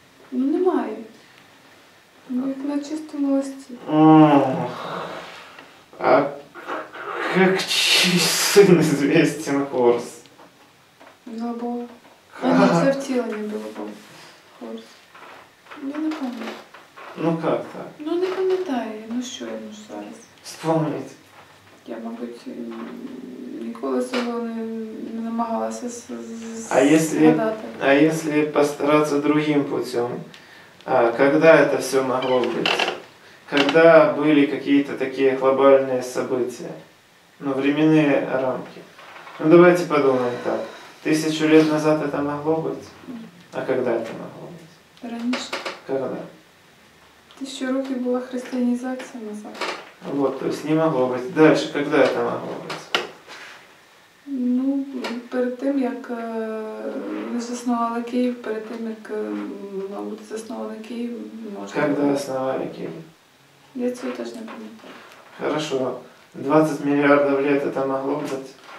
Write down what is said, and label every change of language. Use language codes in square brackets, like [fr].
[ru] Ну, нема. Как на чистом листе. А как сын известен Хорс? Белобог. Они все в тело не Белобог. Хорс. Я не помню. Ну как так? [uk] Ну не пам'ятаю, ну що я можу зараз? [ru] Вспомнить. [uk] Я, мабуть, ніколи цього не намагалася згадати. [ru] А если постараться другим путем? А когда это все могло быть? Когда были какие-то такие глобальные события? Ну, временные рамки. Ну давайте подумаем так. 1000 лет назад это могло быть? А когда это могло быть? [uk] Раніше. [ru] Когда? [uk] 1000 років була християнізація назад. [ru] Вот, то есть не могло быть. Дальше, когда это могло быть? [uk] Ну, перед тим, як ми заснували Київ, перед тим, як, мабуть, заснували Київ, можна... [ru] Когда основали Київ? [uk] Я цього теж не пам'ятаю. [ru] Хорошо. 20 мільярдів лет это могло быть?